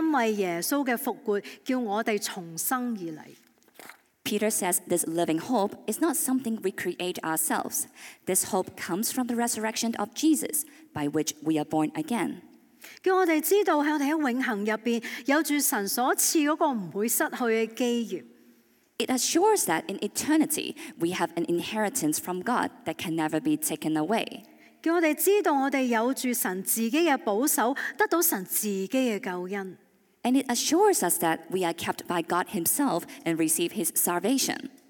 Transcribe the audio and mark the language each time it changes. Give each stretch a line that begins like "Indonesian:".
Chinese: 彼得说这份永活的盼望不是我们自己作出来的，而是这份永活的盼望，他在彼得前书第一章就已经写了，是因为耶稣的复活叫我们重生而来。
English: Peter says this living hope is not something we create ourselves. This hope comes from the resurrection of Jesus, by which we are born again.
Chinese: 叫我们知道在永恒里面有着神所赐那个不会失去的基业。
English: It assures that in eternity, we have an inheritance from God that can never be taken away.
Chinese: 叫我们知道我们有着神自己的保守，得到神自己的救恩。
English: And it assures us that we are kept by God Himself and receive His salvation.